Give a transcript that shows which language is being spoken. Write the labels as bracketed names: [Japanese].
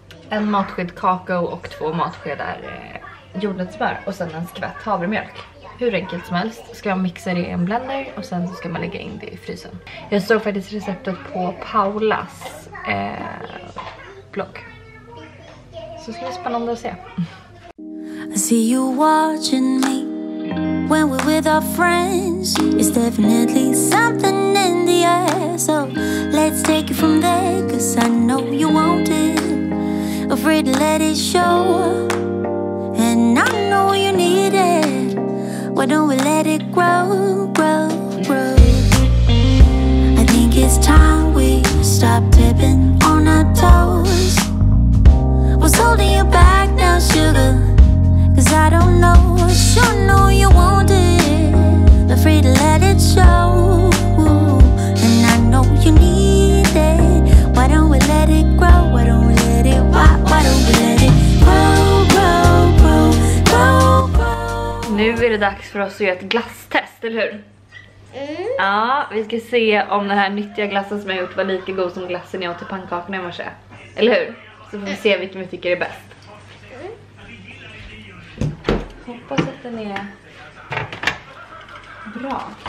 [Swedish] 1 matsked kakao och 2 matskedar jordnötssmör. Och sen en skvätt havremjölk. Hur enkelt som helst. Ska jag mixa det i en blender. Och sen så ska man lägga in det i frysen. Jag såg faktiskt receptet på Paulas blogg. [English] I see you watching me when we're with our friends. It's definitely something in the air. So let's take it from there. Cause I know you want it. Afraid to let it show. And I know you need it. Why don't we let it grow, grow, grow? I think it's time we stop tipping on our toes. What's holding you back now, sugar? Cause I don't know, sure know you want it. Afraid to let it show. And I know you need it. Why don't we let it grow? Why don't we let it, why don't we let it grow, grow, grow, grow, grow. [Swedish] Nu är det dags för oss att göra ett glasstest, eller hur? Mm. Ja, vi ska se om den här nyttiga glassen som jag gjort var lika god som glassen jag åt till pannkakorna i morse. Eller hur? Så får vi se vilken vi tycker är bäst. Mm. Hoppas att den är bra.